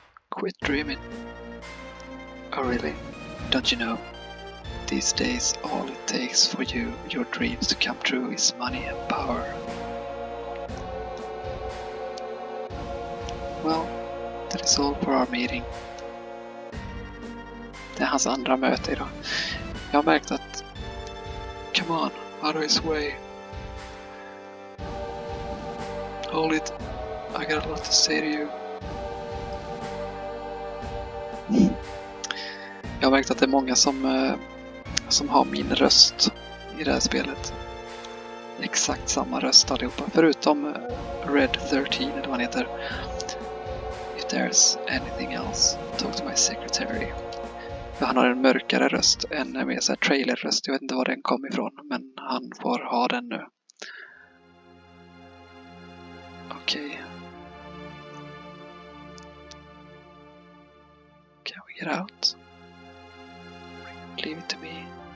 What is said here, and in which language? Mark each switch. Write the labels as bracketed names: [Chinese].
[English] Quit dreaming. Oh really? Don't you know? These days all it takes for you, your dreams to come true is money and power. Well, that is all for our meeting. [Swedish] Det är hans andra möte idag. Jag har märkt att... [English] Come on, out of his way. Hold it. I got a lot to say to you. [Swedish] Jag har märkt att det är många som har min röst i det här spelet. Exakt samma röst allihopa. Förutom Red 13, eller vad han heter. [English] If there's anything else, talk to my secretary. [Swedish] För han har en mörkare röst, en mer så här trailer-röst. Jag vet inte var den kom ifrån, men han får ha den nu. Okej. [English] Okay. Can we get out? Leave it to me.